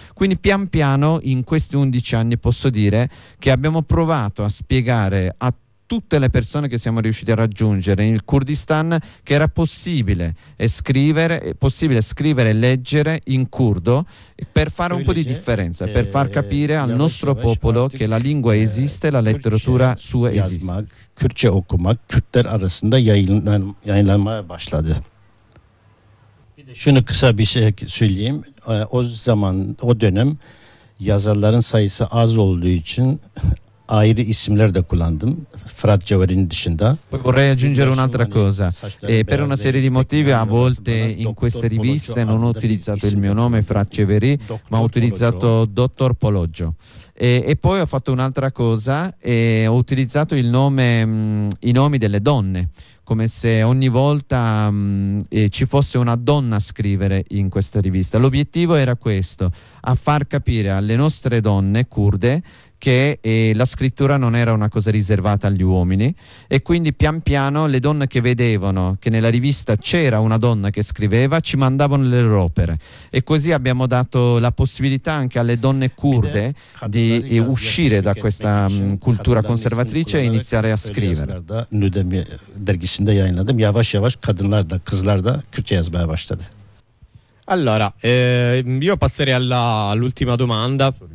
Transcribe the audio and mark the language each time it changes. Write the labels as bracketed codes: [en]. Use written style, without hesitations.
[it] Quindi pian piano in questi 11 anni posso dire che abbiamo provato a spiegare a tutte le persone che siamo riusciti a raggiungere nel Kurdistan che era possibile scrivere e leggere in curdo, per fare un po' di differenza, per far capire al nostro popolo che la lingua esiste, la letteratura sua esiste. [tr] Kürtçe okumak Kürtler arasında yayınlanmaya başladı. Bir de şunu kısa bir şey söyleyeyim. O zaman, o dönem yazarların sayısı az olduğu için ayrı isimler de kullandım. Fırat Cevher'in dışında. [it] Vorrei aggiungere un'altra cosa. Per una serie di motivi a volte in queste riviste non ho utilizzato il mio nome Fırat Cevher, ma ho utilizzato Dottor Pologio. E poi ho fatto un'altra cosa, ho utilizzato il nome, i nomi delle donne, come se ogni volta ci fosse una donna a scrivere in questa rivista. L'obiettivo era questo, a far capire alle nostre donne curde che la scrittura non era una cosa riservata agli uomini, e quindi pian piano le donne che vedevano che nella rivista c'era una donna che scriveva ci mandavano le loro opere, e così abbiamo dato la possibilità anche alle donne curde di uscire da questa cultura conservatrice e iniziare a scrivere. [tr] Nudem dergisinde yayınladım. Yavaş yavaş kadınlar da kızlar da Kürtçe yazmaya başladı. [it] Allora, io passerei all'ultima domanda.